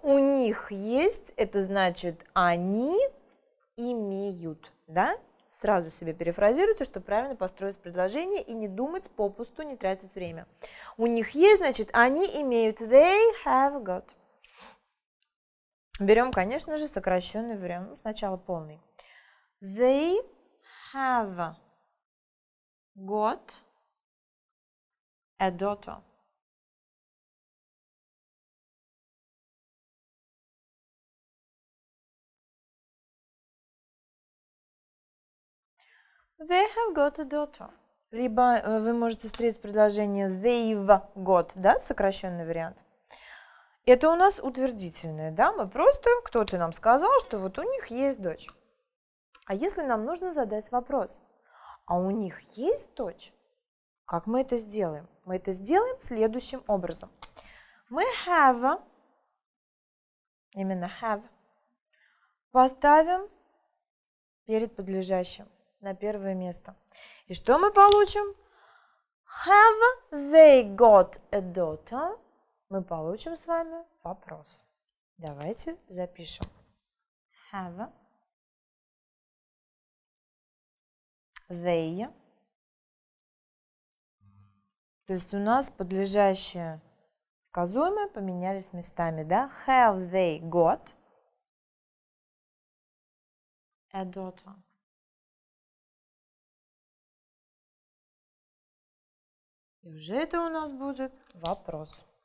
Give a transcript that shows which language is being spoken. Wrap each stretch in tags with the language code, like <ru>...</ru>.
<ru>У них есть, это значит, они имеют, да? Сразу себе перефразируйте, чтобы правильно построить предложение и не думать попусту, не тратить время. У них есть, значит, они имеют.</ru> <en>They have got.</en> <ru>Берем, конечно же, сокращенный вариант. Сначала полный.</ru> <en>They have got a daughter. They have got a daughter.</en> <ru>Либо вы можете встретить предложение</ru> <en>they've got,</en> <ru>да, сокращенный вариант. Это у нас утвердительное, да, мы просто, кто-то нам сказал, что вот у них есть дочь. А если нам нужно задать вопрос, а у них есть дочь, как мы это сделаем? Мы это сделаем следующим образом. Мы have, именно have, поставим перед подлежащим. На первое место. И что мы получим?</ru> <en>Have they got a daughter?</en> <ru>Мы получим с вами вопрос. Давайте запишем.</ru> <en>Have they.</en> <ru>То есть у нас подлежащее сказуемое поменялись местами. Да?</ru> <en>Have they got a daughter?</en> <ru>И уже это у нас будет вопрос.</ru>